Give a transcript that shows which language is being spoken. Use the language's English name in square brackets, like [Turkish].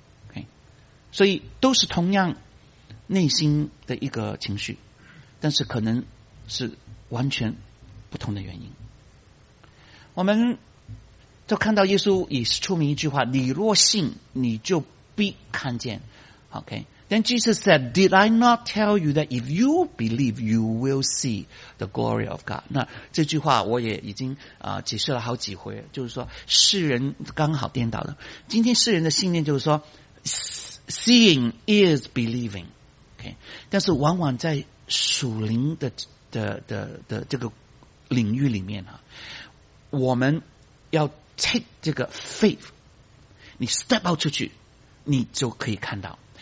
[Chinese] OK， 所以都是同样内心的一个情绪，但是可能是完全不同的原因。我们就看到耶稣也是出名一句话，你若信你就必看见。 [English] OK, Then Jesus said, Did I not tell you that if you believe, you will see the glory of God? [Chinese] 那这句话我也已经解释了好几回，就是说世人刚好颠倒了。今天世人的信念就是说 [English] Seeing is believing, OK, [Chinese] 但是往往在属灵的这个领域里面，我们要 take 这个 faith, 你 step out 出去你就可以看到。